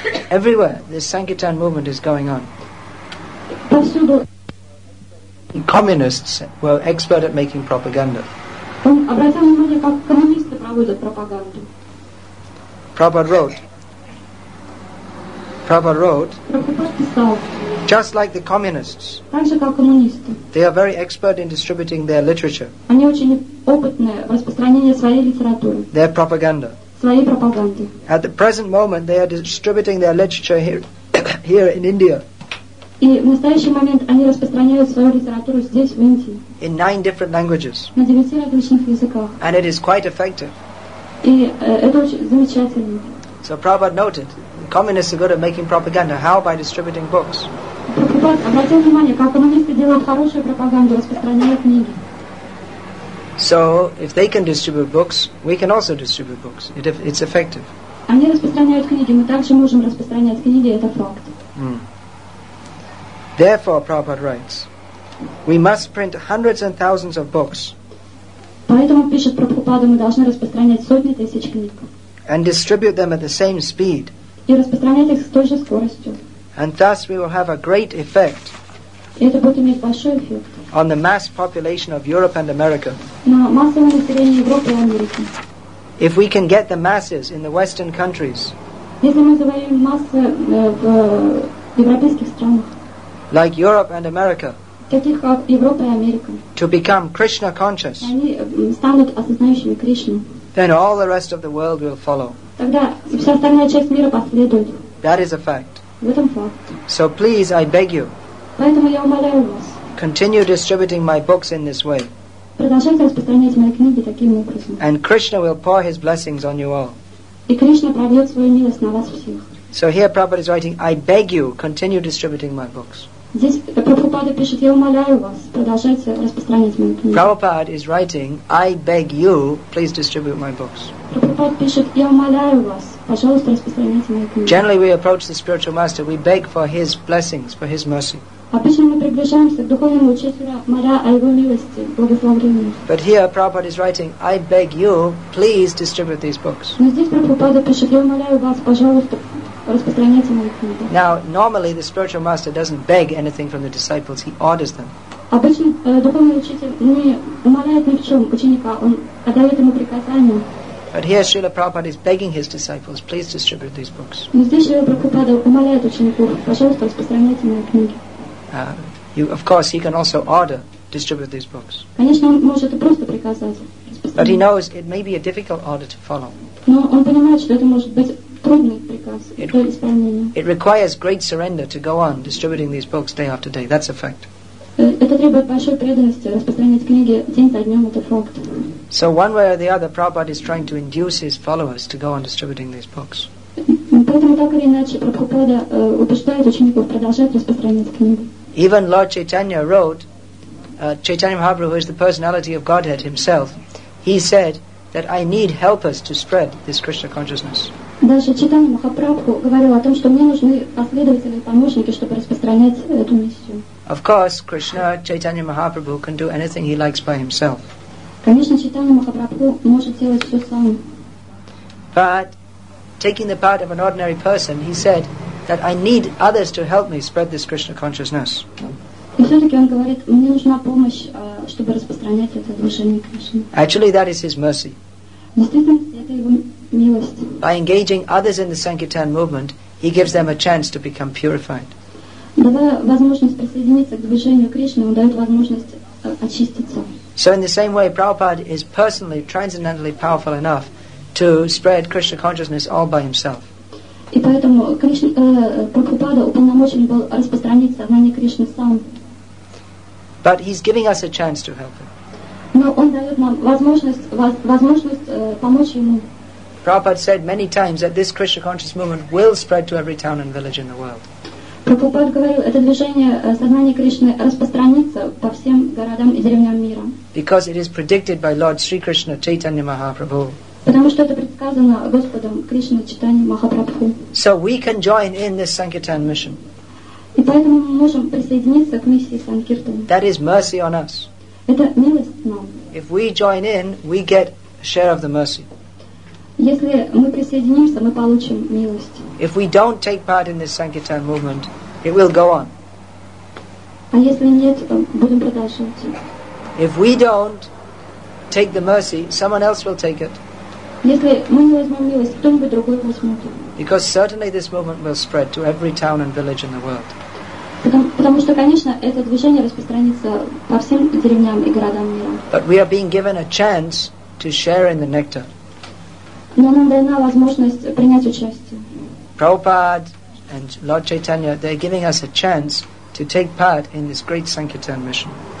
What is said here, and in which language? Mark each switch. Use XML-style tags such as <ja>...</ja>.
<en>Everywhere this Sankirtan movement is going on.</en> <ru>Повсюду.</ru> <en>Communists were expert at making propaganda.</en> <ru>Обратите внимание, как коммунисты проводят пропаганду.</ru> <en>Prabhupada wrote. Just like the communists.</en> <ru>Так же, как коммунисты.</ru> <en>They are very expert in distributing their literature.</en> <ru>Они очень опытны в распространении своей литературы.</ru> <en>Their propaganda.</en> <ru>Своей пропаганды.</ru> <en>At the present moment, they are distributing their literature here in India.</en> <ru>И в настоящий момент они распространяют свою литературу здесь, в Индии.</ru> <en>In 9 different languages.</en> <ru>На 9 различных языках.</ru> <en>And it is quite effective.</en> <ru>И это очень замечательно.</ru> <en>So Prabhupada noted, communists are good at making propaganda. How? By distributing books.</en> <ru>Обратите внимание, как коммунисты делают хорошую пропаганду, распространяют книги.</ru> <en>So, if they can distribute books, we can also distribute books. It's effective.</en> <ru>Они распространяют книги, мы также можем распространять книги, это факт.</ru> <en>Therefore, Prabhupada writes, we must print hundreds and thousands of books.</en> <ru>Поэтому, пишет Прабхупада, мы должны распространять сотни тысяч книг.</ru> <en>And distribute them at the same speed.</en> <ru>И распространять их с той же скоростью.</ru> <en>And thus we will have a great effect.</en> <ru>И это будет иметь большой эффект.</ru> <en>On the mass population of Europe and America.</en> <ru>На массовое население Европы и Америки.</ru> <en>If we can get the masses in the Western countries.</en> <ru>Если мы завоюем массы в европейских странах.</ru> <en>Like Europe and America.</en> <ru>Таких как Европа и Америка.</ru> <en>To become Krishna conscious.</en> <ru>Они станут осознающими Кришну.</ru> <en>Then all the rest of the world will follow.</en> <ru>Тогда вся остальная часть мира последует.</ru> <en>That is a fact.</en> <ru>В этом факт.</ru> <en>So please, I beg you.</en> <ru>Поэтому я умоляю вас.</ru> <en>Continue distributing my books in this way.</en> <ru>Продолжайте распространять мои книги таким образом.</ru> <en>And Krishna will pour his blessings on you all.</en> <ru>И Кришна прольет свою милость на вас всех.</ru> <en>So here Prabhupada is writing, I beg you, continue distributing my books.</en> <ru>Здесь Прабхупада пишет, я умоляю вас, продолжайте распространять мои книги.</ru> <en>Prabhupada is writing, I beg you, please distribute my books.</en> <ru>Прабхупада пишет, я умоляю вас, пожалуйста, распространяйте мои книги.</ru> <en>Generally we approach the spiritual master, we beg for his blessings, for his mercy.</en> <ru>Обычно мы приближаемся к духовному учителю, моля о его милости, благословении.</ru> <en>But here Prabhupada is writing, I beg you, please distribute these books.</en> <ru>Но здесь Прабхупада пишет, я умоляю вас, пожалуйста, распространяйте мои книги.</ru> <en>Now, normally the spiritual master doesn't beg anything from the disciples, he orders them.</en> <ru>Обычно духовный учитель не умоляет ни в чем ученика, он отдает ему приказания.</ru> <en>But here Srila Prabhupada is begging his disciples, please distribute these books.</en> <ru>Но здесь Srila Prabhupada умоляет учеников, пожалуйста, распространяйте мои книги.</ru> <en>Of course, he can also order, distribute these books.</en> <ru>Конечно, он может просто приказать, распространяйте мои книги.</ru> <en>But he knows it may be a difficult order to follow.</en> <ru>Но он понимает, что это может быть трудный приказ для исполнения.</ru> <en>It requires great surrender to go on distributing these books day after day. That's a fact.</en> <ru>Это требует большой преданности распространять книги день за днем. Это факт.</ru> <en>So one way or the other, Prabhupada is trying to induce his followers to go on distributing these books.</en> <ru>Поэтому так или иначе Прабхупада убеждает учеников продолжать распространять книги.</ru> <en>Even Lord Chaitanya wrote. Chaitanya Mahaprabhu, who is the personality of Godhead himself, he said that I need helpers to spread this Krishna consciousness.</en> <ru>Даже Чайтанья Махапрабху говорил о том, что мне нужны последователи, помощники, чтобы распространять эту миссию.</ru> <en>Of course, Krishna, Chaitanya Mahaprabhu can do anything he likes by himself.</en> <ru>Конечно, Чайтанья Махапрабху может делать все сам.</ru> <en>But taking the part of an ordinary person, he said that I need others to help me spread this Krishna consciousness.</en> <ru>И все-таки он говорит, мне нужна помощь, чтобы распространять это движение Кришны.</ru> <en>Actually, that is his mercy.</en> <ru>Действительно, это его милость.</ru> <en>By engaging others in the Sankirtan movement, he gives them a chance to become purified.</en> <ru>Давая возможность присоединиться к движению Кришны, он дает возможность очиститься.</ru> <en>So in the same way, Prabhupada is personally, transcendentally powerful enough to spread Krishna consciousness all by himself.</en> <ru>И поэтому Прабхупада уполномочен был распространить сознание Кришны сам.</ru> <en>But he's giving us a chance to help him.</en> <ru>Но он дает нам возможность помочь ему.</ru> <en>Prabhupada said many times that this Krishna conscious movement will spread to every town and village in the world.</en> <ru>Прабхупада говорил, это движение сознания Кришны распространится по всем городам и деревням мира.</ru> <en>Because it is predicted by Lord Sri Krishna Chaitanya Mahaprabhu.</en> <ru>Потому что это предсказано Господом Кришной Чайтанья Махапрабху.</ru> <en>So we can join in this Sankirtan mission.</en> <ru>И поэтому мы можем присоединиться к миссии Санкиртан.</ru> <en>That is mercy on us.</en> <ru>Это милость нам.</ru> <en>If we join in, we get a share of the mercy.</en> <ru>Если мы присоединимся, мы получим милость.</ru> <en>If we don't take part in this Sankirtan movement, it will go on.</en> <ru>А если нет, будем продолжать.</ru> <en>If we don't take the mercy, someone else will take it.</en> <ru>Если мы не возьмем милость, кто-нибудь другой возьмет.</ru> <en>Because certainly this movement will spread to every town and village in the world.</en> <ru>Потому что, конечно, это движение распространится по всем деревням и городам мира.</ru> <en>But we are being given a chance to share in the nectar.</en> <ru>Но нам дана возможность принять участие.</ru> <en>Prabhupada and Lord Chaitanya, they're giving us a chance to take part in this great Sankirtan mission.</en>